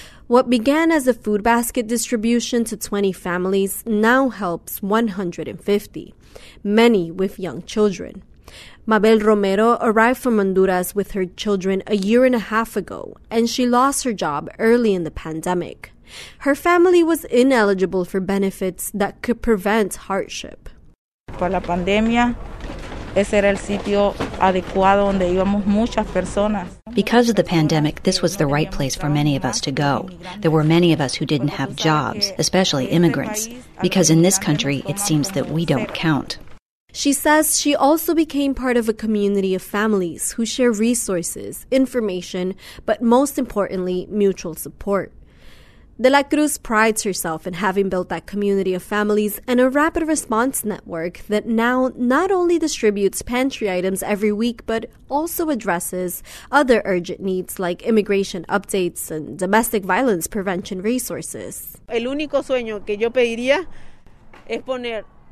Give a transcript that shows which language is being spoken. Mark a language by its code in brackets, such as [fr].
[en] What began as a food basket distribution to 20 families now helps 150, many with young children. Mabel Romero arrived from Honduras with her children a year and a half ago, and she lost her job early in the pandemic. Her family was ineligible for benefits that could prevent hardship. [es] Por la pandemia, ese era el sitio adecuado donde íbamos muchas personas. [en] Because of the pandemic, this was the right place for many of us to go. There were many of us who didn't have jobs, especially immigrants, because in this country, it seems that we don't count. She says she also became part of a community of families who share resources, information, but most importantly, mutual support. De La Cruz prides herself in having built that community of families and a rapid response network that now not only distributes pantry items every week, but also addresses other urgent needs like immigration updates and domestic violence prevention resources. [es] El único sueño que yo pediría es poner...